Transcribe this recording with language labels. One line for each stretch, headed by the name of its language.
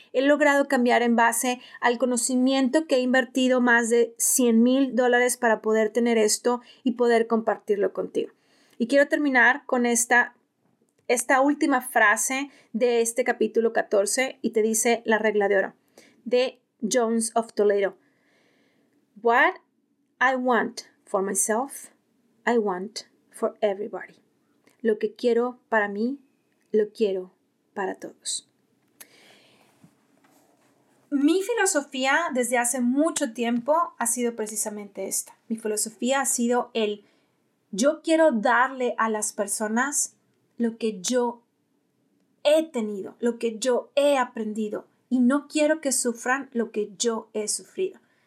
Spanish: He logrado cambiar en base al conocimiento que he invertido más de $100,000 para poder tener esto y poder compartirlo contigo. Y quiero terminar con esta última frase de este capítulo 14 y te dice la regla de oro de Jones of Toledo.
English: What I want for myself, I want for everybody.
Spanish: Lo que quiero para mí, lo quiero para todos. Mi filosofía desde hace mucho tiempo ha sido precisamente esta. Mi filosofía ha sido yo quiero darle a las personas lo que yo he tenido, lo que yo he aprendido, y no quiero que sufran lo que yo he sufrido.